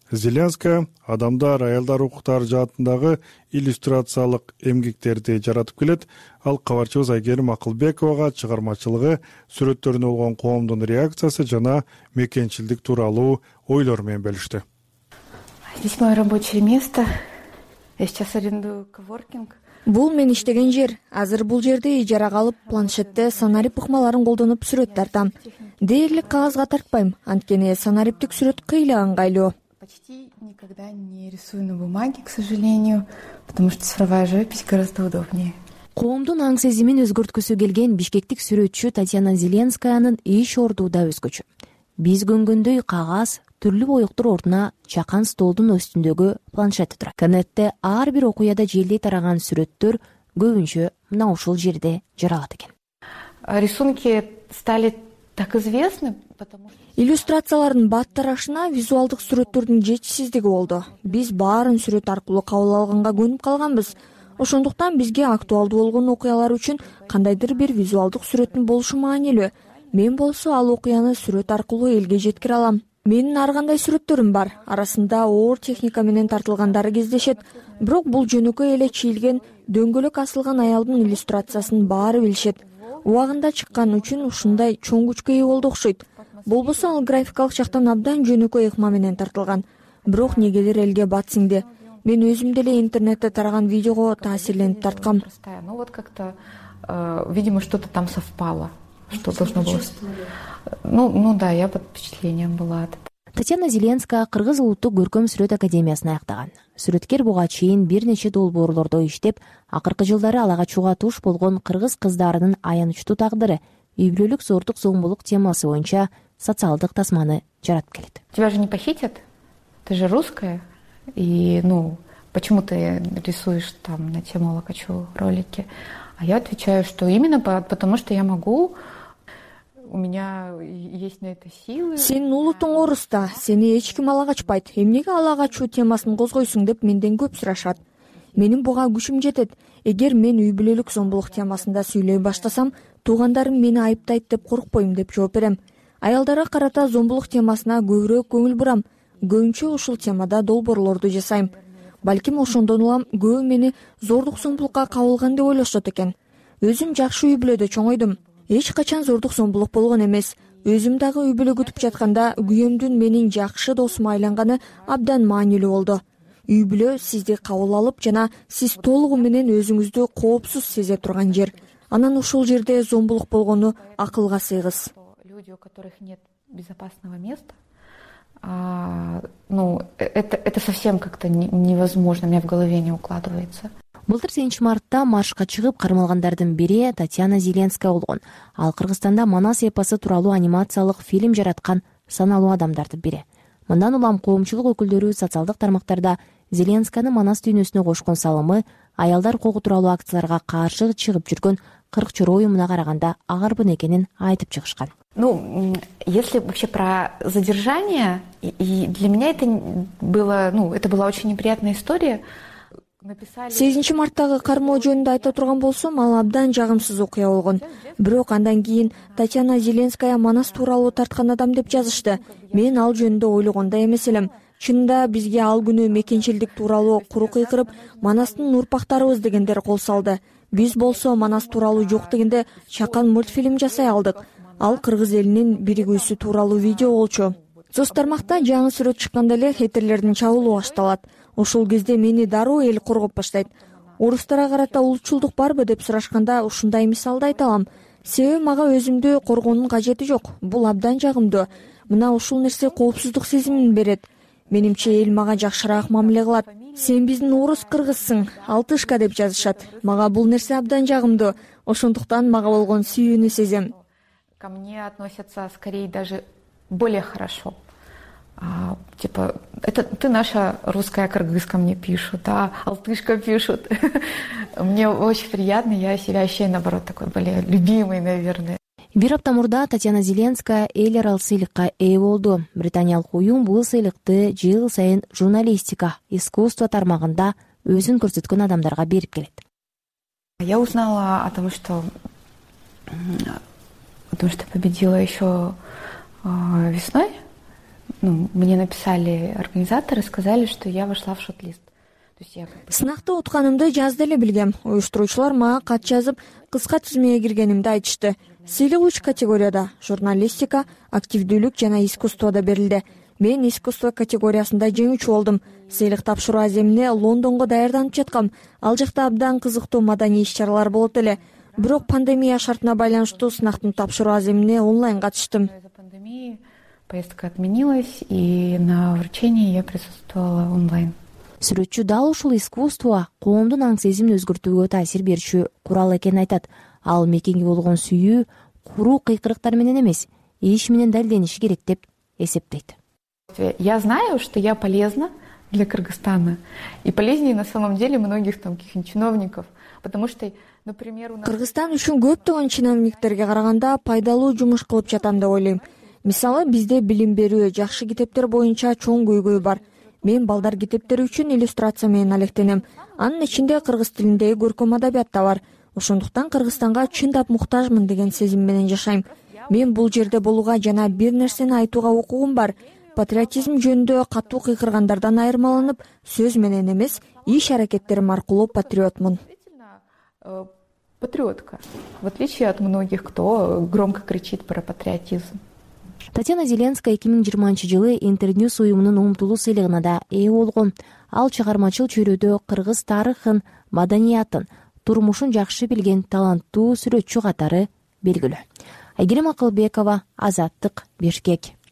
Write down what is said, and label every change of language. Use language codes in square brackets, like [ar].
[ky] Зеленская адамдар, аялдар укуктары жаатындагы иллюстрациялык эмгектерди жаратып келет. Ал кабарчыбыз Айгерим Акылбековага чыгармачылыгы, сүрөттөрүнө болгон коомдун реакциясы жана мекенчилдик тууралуу ойлор менен бөлүштү. [ru] Здесь мое рабочее место. Я сейчас арендую коворкинг. [ky] Бул мен иштеген жер. Азыр бул жерде ижарага алып, планшетте санарип ыкмаларын колдонуп сүрөт тартам. Дээрлик кагазга тартпайм, анткени санариптик сүрөт кыйла ыңгайлуу. [ru] Почти никогда не рисую на бумаге, к сожалению, потому что цифровая живопись гораздо удобнее. [ky] Коомдун аң-сезимин өзгөрткүсү келген бишкектик сүрөтчү Татьяна Зеленскаянын иш ордуу да өзгөчө. Биз күнгөндөй кагаз, түрлүү боектор ордуна чакан столдун үстүндөгү планшет турат. Интернетте ар бир окуяда желдей тараган сүрөттөр көбүнчө мына ушул жерде жаралат экен. [ru] Рисунки стали так известны. [ky] Иллюстрациялардын бат тарашына визуалдык сүрөттөрдүн жетишсиздиги болду. Биз баарын сүрөт аркылуу кабыл алганга көнүп калганбыз. Ошондуктан бизге актуалдуу болгон окуялар үчүн кандайдыр бир визуалдык сүрөттүн болушу маанилүү. Мен болсо ал окуяны сүрөт аркылуу элге жеткире алам. Менин ар кандай сүрөттөрүм бар. Арасында оор техника менен тартылгандары кездешет. Бирок бул жөнөкөй эле чийилген дөңгөлөк асылган аялдын иллюстрациясын баары билишет. Убагында чыккан үчүн ушундай чоң күчкө ээ болду окшойт. Болбосо ал графикалык жактан абдан жөнөкөй ыкма менен тартылган. Бирок негедир элге бат сиңди. Мен өзүм деле интернетте тараган видеого таасирленип тарткам. [ru] Ну вот как-то, видимо, что-то там совпало, что должно было. Ну да, я под впечатлением была от этого. [ky] Татьяна Зеленская кыргыз улуттук көркөм сүрөт академиясын аяктаган. Сүрөткер буга чейин бир нече долбоорлордо иштеп, акыркы жылдары алага чуга туш болгон кыргыз кыздарынын аянычтуу тагдыры. Үйбүлөлүк зордук зомбулук темасы боюнча социалдык тасманы жаратып келет. [ru] Тебя же не похитят? Ты же русская. И, ну, почему ты рисуешь там на тему алакачу ролики? А я отвечаю, что именно потому, что я могу. У меня есть на это силы. [ky] Сен улутуң орус да, сени эч ким ала качпайт. Эмнеге ала качуу темасын козгойсуң деп менден көп сурашат. Менин буга күчүм жетет. Эгер мен үйбүлөлүк зомбулук темасында сүйлөй баштасам, туугандарым мени айыптайт деп коркпойм деп жооп берем. Аялдарга карата зомбулук темасына көбүрөөк көңүл бурам. Көбүнчө ушул темада долбоорлорду жасайм. Балким ошондон улам көбү мени зордук зомбулукка кабылган деп ойлошот экен. Өзүм жакшы үйбүлөдө чоңойдум. Эч качан зордук зомбулук болгон эмес. Өзүм дагы үйбүлө күтүп жатканда күйөөмдүн менин жакшы досума айланганы абдан маанилүү болду. Үйбүлө сизди кабыл алып жана сиз толугу менен өзүңүздү коопсуз сезе турган жер. Анан ушул жерде зомбулук болгону акылга сыйгыз. [ru] Люди, у которых нет безопасного места, ну, это совсем как-то невозможно, у меня в голове не укладывается. [ky] Былтыр 8 мартта маршка чыгып кармалгандардын бири Татьяна Зеленская болгон. Ал Кыргызстанда Манас эпосу тууралуу анимациялык фильм жараткан саналуу адамдардын бири. Мындан улам коомчулук өкүлдөрү социалдык тармактарда Зеленскайны Манас дүйнөсүнө кошкон салымы, аялдар укугу тууралуу акцияларга каршы чыгып жүргөн 40 чоро уюмуна караганда агарбын экенин айтып чыгышкан. [ru] Ну, если вообще про задержание, и для меня это было, ну, это была очень неприятная история. [ky] 8 марттагы кармоо жөнүндө айта турган болсом, ал абдан жагымсыз окуя болгон. Бирок андан кийин Татьяна Зеленская Манас тууралуу тарткан адам деп жазышты. Мен ал жөнүндө ойлогондой эмес элем. Чында бизге ал күнү мекенчилдик тууралуу курук кыйкырып, Манастын урпактарыбыз дегендер кол салды. Биз болсо Манас тууралуу жок дегенде чакан мультфильм жасай алдык. Ал кыргыз элинин биригүүсү тууралуу видео болчу. Соц тармакта жаңы сүрөт чыкканда эле хейтерлердин чабуулуу башталат. Ошол кезде мени дароо эл коргоп баштайт. Орустарга карата улутчулдук барбы деп сурашканда ушундай мисалды айта алам. Себеби мага өзүмдү коргоонун кажети жок. Бул абдан жагымдуу. Мына ушул нерсе коопсуздук сезимин берет. Менимче эл мага жакшыраак мамиле кылат. Сен биздин орус кыргызсың, алтышка деп жазышат. Мага бул нерсе абдан жагымдуу. Ошондуктан мага болгон сүйүүнү сезем. [ru] Ко мне относятся скорее даже более хорошо. Типа, это ты наша русская кыргызка мне пишут, а алтышка пишут. Мне очень приятно, я себя ощущаю наоборот такой более любимой, наверное. [ky] Бир апта мурда Татьяна Зеленская эл аралык сыйлыкка ээ болду. Британиялык уюм бул сыйлыкты жыл сайын журналистика, искусство тармагында өзүн көрсөткөн адамдарга берип келет. [ru] Я узнала о том, что победила еще весной. Ну, мне написали организаторы, сказали, что я вошла в шотлист. [ky] Сынакты утканымды жазды эле билгем. Уюштуруучулар мага кат жазып, кыска тизмеге киргенимди айтышты. Сыйлык үч категорияда журналистика, активдүүлүк жана искусствода берилди. Мен искусство категориясында жеңүүчү болдум. Сыйлык тапшыруу аземине Лондонго даярданып жаткам. Ал жакта абдан кызыктуу маданий иш-чаралар болот эле. Бирок пандемия шартына байланыштуу сынактын тапшыруу аземине онлайн катыштым. [ru] Поездка отменилась, и на вручении я присутствовала онлайн. [ky] Сүрөтчү дал ушул искусство коомдун аң-сезимин өзгөртүүгө таасир берчү курал экенин айтат. Ал мекенге болгон сүйүү куруу кыйкырыктар менен эмес, иш менен далдениши керек деп эсептейт. [ru] Я знаю, что я полезна для Кыргызстана и полезнее на самом деле многих там каких-нибудь чиновников, потому что, например, у нас [ky] Кыргызстан үчүн көптөгөн чиновниктерге караганда пайдалуу жумуш кылып жатам деп ойлойм. Мисалы, бизде билим берүү, жакшы китептер боюнча чоң көйгөй бар. Мен балдар китептери үчүн иллюстрация менен алектенем. Анын ичинде кыргыз тилиндеги көркөм адабият да бар. Ошондуктан Кыргызстанга чындап муктажмын деген сезим менен жашайм. Мен бул жерде болууга жана бир нерсени айтууга укугум бар. Патриотизм жөнүндө катуу кыйкыргандардан айырмаланып, сөз менен эмес, иш аракеттерим аркылуу патриотмун. [ru] Патриотка. В отличие от многих, кто громко кричит про патриотизм. [ky] Татьяна Зеленская 2020 жылы Интерньюс уюмунун умтулуу сыйлыгына да ээ болгон. Ал чыгармачыл чөйрөдө кыргыз тарыхын, маданиятын, турмушун жакшы билген таланттуу сүрөтчү катары белгилүү. Айгерим Акылбекова, Азаттык, Бишкек.